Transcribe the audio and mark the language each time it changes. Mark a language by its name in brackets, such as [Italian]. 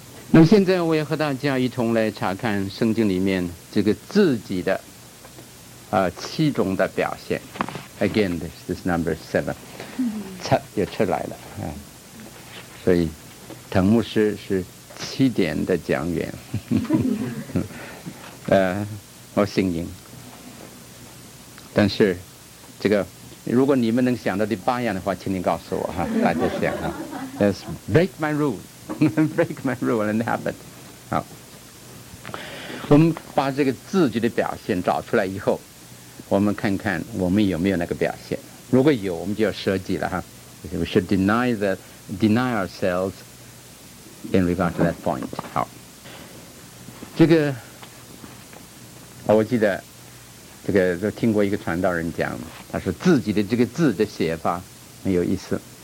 [Chinese] 那现在我要和大家一同来查看圣经里面这个自己的七种的表现 [English] Again this is number seven [Chinese] 车来了、所以藤牧师是 7点的讲员。我姓林，但是这个如果你们能想到第八样的话，请你告诉我哈，大家想啊。 [English] Yes, break my rule, break my rule and habit. [Chinese] 好，我们把这个自己的表现找出来以后，我们看看我们有没有那个表现。如果有，我们就要舍己了哈。 [English] We should deny ourselves in regard to that point. [Chinese] 好，这个我记得这个都听过一个传道人讲，他说自己的这个字的写法很有意思。